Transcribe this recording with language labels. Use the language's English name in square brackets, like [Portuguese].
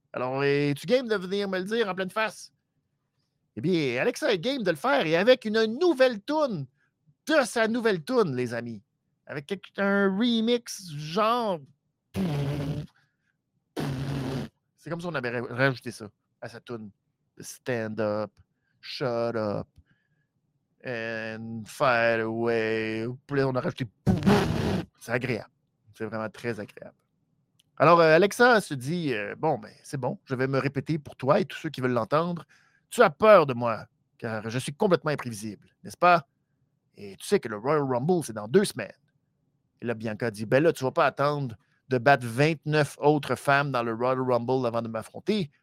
[French] Alors, es-tu game de venir me le dire en pleine face? Eh bien, Alexa est game de le faire et avec une nouvelle toune de sa nouvelle toune, les amis. Avec un remix genre... C'est comme si on avait rajouté ça à sa toune. [English] Stand up, shut up, and fight away. [French] Puis on a rajouté... C'est agréable. C'est vraiment très agréable. Alors, Alexa se dit, bon, ben, c'est bon, je vais me répéter pour toi et tous ceux qui veulent l'entendre. Tu as peur de moi, car je suis complètement imprévisible, n'est-ce pas? Et tu sais que le Royal Rumble, c'est dans 2 semaines. Et là, Bianca dit, ben là, tu ne vas pas attendre de battre 29 autres femmes dans le Royal Rumble avant de m'affronter.